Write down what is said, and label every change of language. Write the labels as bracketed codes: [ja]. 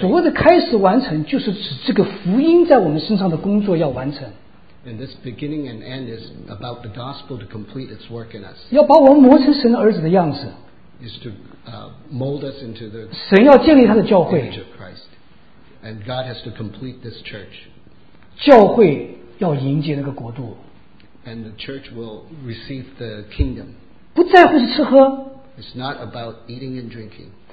[zh] 所谓的开始完成就是指这个福音在我们身上的工作要完成。 [en] And this beginning and end is about the gospel to complete its work in us. [zh] 要把我们磨成神儿子的样子。 [en] Is to mold us into the [zh] 神要建立他的教会, [en] image of Christ. And God has to complete this church. [zh] 教会要迎接那个国度。 [en] And the church will receive the kingdom. [zh] 不在乎是吃喝。 [en] It's not about eating and drinking.